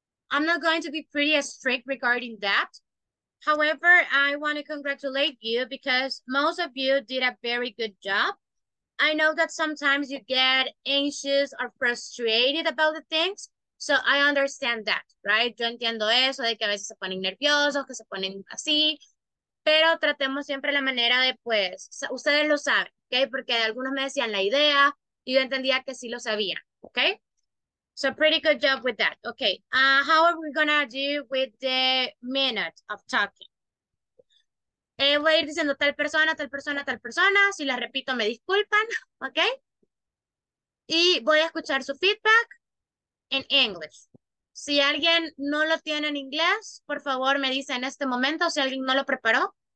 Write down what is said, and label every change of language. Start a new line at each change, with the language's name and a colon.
English: I'm not going to be pretty strict regarding that. However, I want to congratulate you because most of you did a very good job. I know that sometimes you get anxious or frustrated about the things, so I understand that, right?
Spanish: Yo entiendo eso, de que a veces se ponen nerviosos, que se ponen así, pero tratemos siempre la manera de, pues, ustedes lo saben, ¿ok? Porque algunos me decían la idea, y yo entendía que sí lo sabía, okay?
English: So pretty good job with that. Okay, how are we gonna do with the minute of talking?
Spanish: Voy a ir diciendo tal persona, tal persona, tal persona. Si la repito, me disculpan, okay? Y voy a escuchar su feedback in English. Si alguien no lo tiene en inglés, por favor me dice en este momento si alguien no lo preparó.